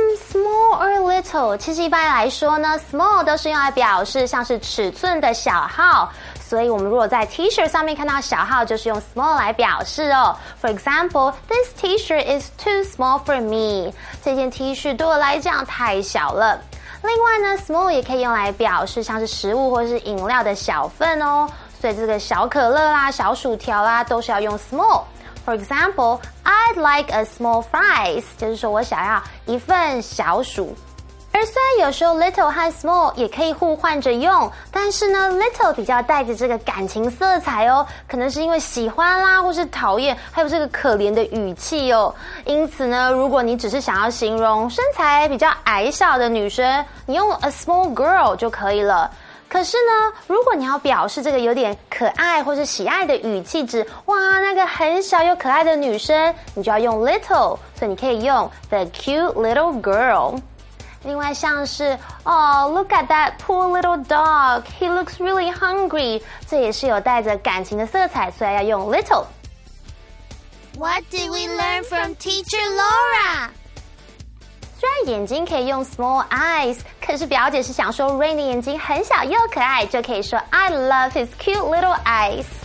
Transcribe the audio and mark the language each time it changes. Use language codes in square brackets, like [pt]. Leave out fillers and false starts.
[en] Small or little， [zh] 其实一般来说呢 ，small 都是用来表示像是尺寸的小号，所以我们如果在 T-shirt 上面看到小号，就是用 small 来表示哦。 [en] For example， this T-shirt is too small for me， [zh] 这件 T 恤对我来讲太小了。另外呢 ，small 也可以用来表示像是食物或是饮料的小份哦，所以这个小可乐啦、小薯条啦，都是要用 small。 [en] For example, I'd like a small fries， [zh] 就是说我想要一份小薯。而虽然有时候 little 和 small 也可以互换着用，但是呢 little 比较带着这个感情色彩哦，可能是因为喜欢啦，或是讨厌，还有这个可怜的语气哦。因此呢，如果你只是想要形容身材比较矮小的女生，你用 [en] a small girl [zh] 就可以了。可是呢，如果你要表示这个有点可爱或是喜爱的语气，指哇那个很小又可爱的女生，你就要用 little， 所以你可以用 [en] the cute little girl。另外像是 Oh, look at that poor little dog, he looks really hungry， [zh] 这也是有带着感情的色彩，所以要用 little。 [en] What did we learn from Teacher Laura？ [zh] 虽然眼睛可以用 small eyes， 可是表姐是想说 Rain 的眼睛很小又可爱，就可以说 [en] I love his cute little eyes。